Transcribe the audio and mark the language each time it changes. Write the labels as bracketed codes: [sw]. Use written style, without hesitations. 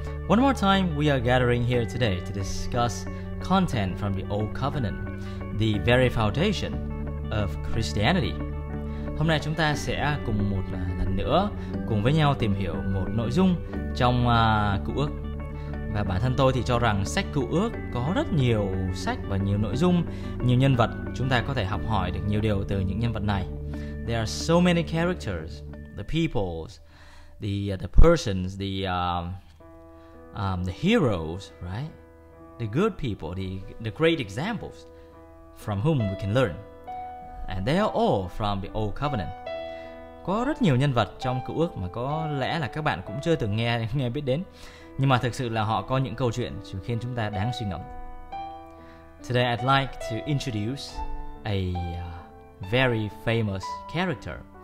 [en] One more time, we are gathering here today to discuss content from the Old Covenant, the very foundation of Christianity. [vi] Hôm nay chúng ta sẽ cùng một lần nữa cùng với nhau tìm hiểu một nội dung trong Cựu Ước. Và bản thân tôi thì cho rằng sách Cựu Ước có rất nhiều sách và nhiều nội dung, nhiều nhân vật. Chúng ta có thể học hỏi được nhiều điều từ những nhân vật này. [en] There are so many characters, the peoples, the persons, the heroes, right? The good people, the great examples from whom we can learn. And they are all from the Old Covenant. [vi] Có rất nhiều nhân vật trong Cựu Ước mà có lẽ là các bạn cũng chưa từng nghe biết đến. Nhưng mà thực sự là họ có những câu chuyện khiến chúng ta đáng suy ngẫm. [en] Today I'd like to introduce a very famous character.